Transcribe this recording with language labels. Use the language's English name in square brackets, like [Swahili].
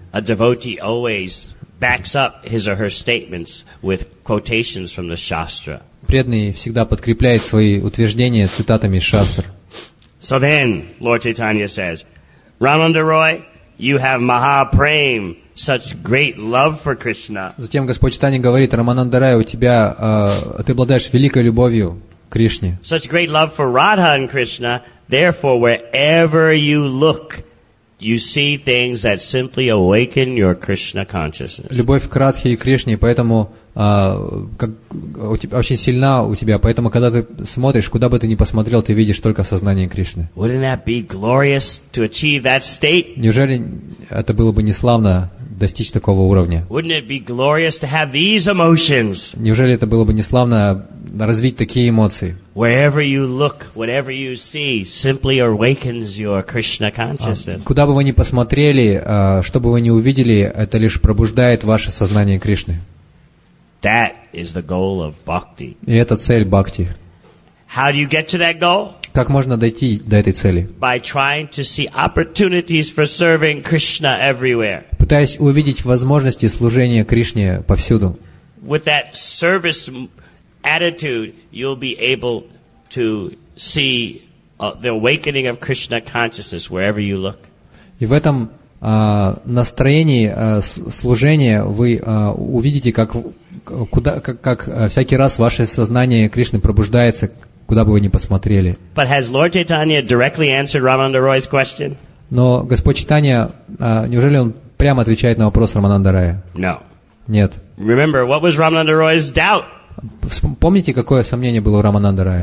[English] A devotee always backs up his or her statements with quotations from the Shastra. [Russian] Преданный всегда подкрепляет свои утверждения цитатами из Шастр. [English] So then, Lord Chaitanya says, Ramananda Roy, you have Mahaprem, such great love for Krishna. [Russian] Затем Господь Чайтанья говорит, Рамананда Рай, у тебя, ты обладаешь великой любовью к Кришне. [English] Such great love for Radha and Krishna, therefore, wherever you look, you see things that simply awaken your Krishna consciousness. [Russian] Любовь к Радхе и Кришне, поэтому очень сильна у тебя, поэтому когда ты смотришь, куда бы ты ни посмотрел, ты видишь только сознание Кришны. [English] Wouldn't that be glorious to achieve that state? [Russian] Неужели это было бы не славно достичь такого уровня? [English] Wouldn't it be glorious to have these emotions? [Russian] Неужели это было бы не славно развить такие эмоции? [English] Wherever you look, whatever you see, simply awakens your Krishna consciousness. [Russian] Куда бы вы ни посмотрели, что бы вы ни увидели, это лишь пробуждает ваше сознание Кришны. [English] That is the goal of bhakti. [Russian] И это цель бхакти. [English] How do you get to that goal? [Russian] Как можно дойти до этой цели? [English] By trying to see opportunities for serving Krishna everywhere. [Russian] Пытаясь увидеть возможности служения Кришне повсюду. [English] With that service attitude, you'll be able to see the awakening of Krishna consciousness wherever you look. [Russian] И в этом настроении служения вы увидите, как всякий раз ваше сознание Кришны пробуждается, куда бы вы ни посмотрели. [English] But has Lord Chaitanya directly answered Ramananda Roy's question? [Russian] Но Господь Чайтанья, неужели он прямо отвечает на вопрос Рамананда Рая? [English] No. [Russian] Нет. [English] Remember, what was Ramananda Roy's doubt? [Russian] Помните, какое сомнение было у Рамананда Рая?